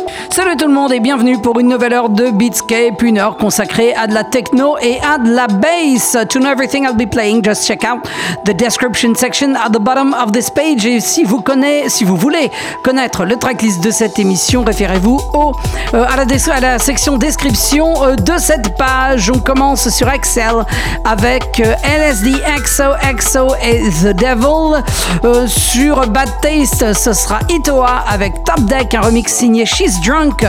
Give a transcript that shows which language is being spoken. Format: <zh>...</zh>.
<fr>Salut tout le monde et bienvenue pour une nouvelle heure de Beatscape, une heure consacrée à de la techno et à de la bass.</fr> <en>To know everything I'll be playing, just check out the description section at the bottom of this page.</en> <fr>Et si vous voulez connaître le tracklist de cette émission, référez-vous à la section description de cette page. On commence sur Excel avec LSDXOXO et The Devil. Sur Bad Taste, ce sera ITOA avec Top Deck, un remix signé She's Drunk.</fr>